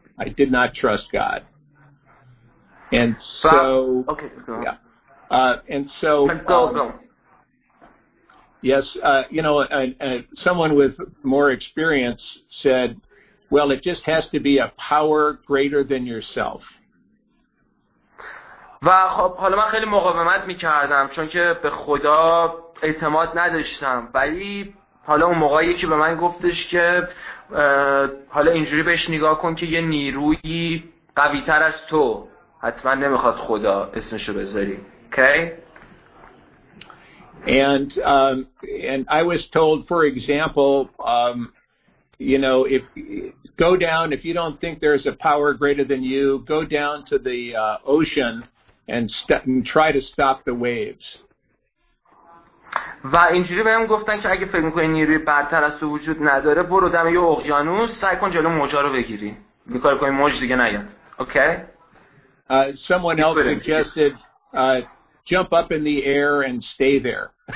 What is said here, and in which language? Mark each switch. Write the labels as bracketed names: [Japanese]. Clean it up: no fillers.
[English] I did not trust God. And so okay, go on. Yeah. And so, yes, you know, someone with more experience said, well, it just has to be a power greater than yourself. [Persian] و خب حالا من خیلی مقاومت میکردم چون که به خدا اعتماد نداشتم، ولی حالا اون موقعی که به من گفتش که حالا اینجوری بهش نگاه کن که یه نیروی قوی تر از تو حتما نمیخواد خدا اسمشو بذاری. [English] Okay. And I was told, for example, you know, if go down, if you don't think there's a power greater than you, go down to the ocean and try to stop the waves. [Persian] و اینجوری بهم گفتن که اگه فکر می‌کنی نیروی برتر از تو وجود نداره، برو دم یه اقیانوس، سعی کن جلو موجا رو بگیری. می‌خوای کنی موج دیگه نیاد. Okay? [English] Someone else suggested jump up in the air and stay there.